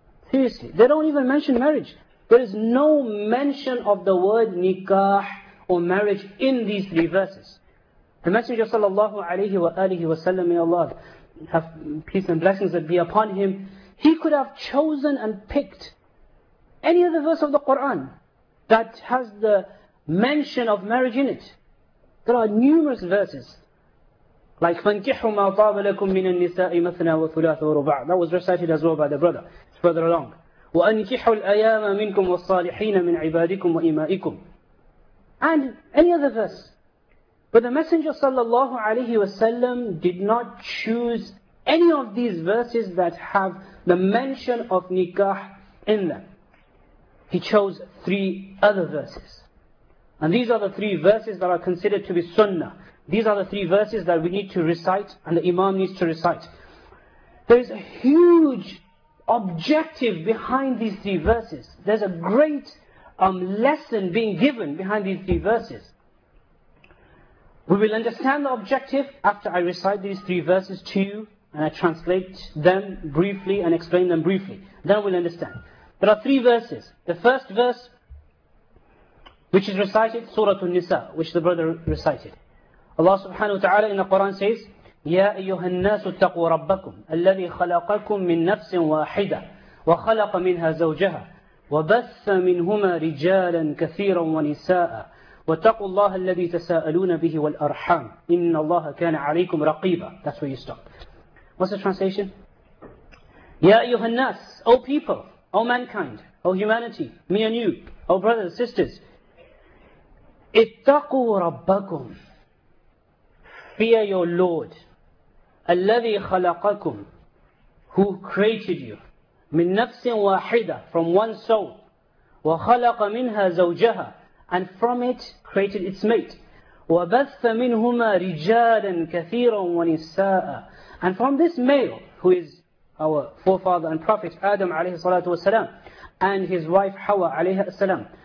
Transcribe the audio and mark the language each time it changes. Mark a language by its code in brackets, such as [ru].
[en] Seriously, they don't even mention marriage. There is no mention of the word nikah or marriage in these three verses. The Messenger sallallahu alayhi wa alihi wa sallam, may Allah have peace and blessings that be upon him, he could have chosen and picked any other verse of the Qur'an that has the mention of marriage in it. There are numerous verses, like [ar] فَانْكِحُوا مَا طَابَ لَكُم مِّنَ النِّسَاءِ مَثْنَى وَثُلَاثَ وَرُبَعَ. [en] That was recited as well by the brother. It's further along. [ar] وَأَنْكِحُوا الْأَيَامَ مِنْكُمْ وَالصَّالِحِينَ مِنْ عِبَادِكُمْ وَإِمَائِكُمْ. [en] And any other verse. But the Messenger sallallahu alayhi wasallam did not choose any of these verses that have the mention of nikah in them. He chose three other verses. And these are the three verses that are considered to be sunnah. These are the three verses that we need to recite and the Imam needs to recite. There is a huge objective behind these three verses. There's a great lesson being given behind these three verses. We will understand the objective after I recite these three verses to you and I translate them briefly and explain them briefly. Then we'll understand. There are three verses. The first verse, which is recited, Surah An-Nisa, which the brother recited. Allah subhanahu wa ta'ala in the Quran says, [ar] يَا أَيُّهَا النَّاسُ اتَّقُوا رَبَّكُمْ الَّذِي خَلَقَكُمْ مِنْ نَفْسٍ وَاحِدَةٍ وَخَلَقَ مِنْهَا زَوْجَهَا وَبَثَّ مِنْهُمَا رِجَالًا كَثِيرًا وَنِسَاءً وَاتَّقُوا اللَّهَ الَّذِي تَسَاءَلُونَ بِهِ وَالْأَرْحَامِ إِنَّ اللَّهَ كَانَ عَلَيْكُمْ رَقِيبًا. [en] That's where you stop. What's the translation? [ar] يَا أَيُّهَا النَّاسُ, [en] O people, O mankind, O humanity, me and you, O brothers and sisters, [ar] اتقوا ربكم, [en] fear your Lord, [ar] الذي خلقكم, [en] who created you, [ar] من نفس واحدة, [en] from one soul, [ar] وخلق منها زوجها, [en] and from it created its mate, [ar] وبث منهما رجالا كثيرا ونساء, [en] and from this male, who is our forefather and prophet Adam عليه الصلاة والسلام, and his wife Hawa عليه السلام.